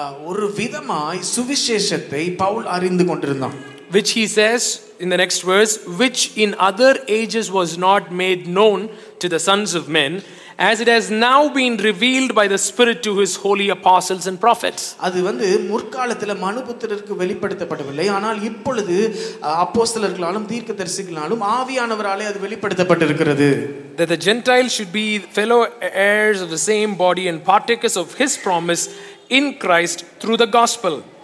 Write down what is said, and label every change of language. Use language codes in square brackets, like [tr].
[ta] ஒரு விதமாய் சுவிசேஷத்தை பவுல் அறிந்து கொண்டிருந்தான். [en] Which he says in the next verse, which in other ages was not made known to the sons of men, as it has now been revealed by the Spirit to his holy apostles and prophets. [ta] அது வந்து முற்காலத்தில் மனுபுத்திரருக்கு வெளிப்படுத்தப்படவில்லை, ஆனால் இப்பொழுது அப்போஸ்தலர்களாலும் தீர்க்கதரிசிகளாலும் ஆவியானவராலே அது வெளிப்படுத்தப்பட்டிருக்கிறது. [en] That the Gentiles should be fellow heirs of the same body and partakers of his promise in Christ through the gospel.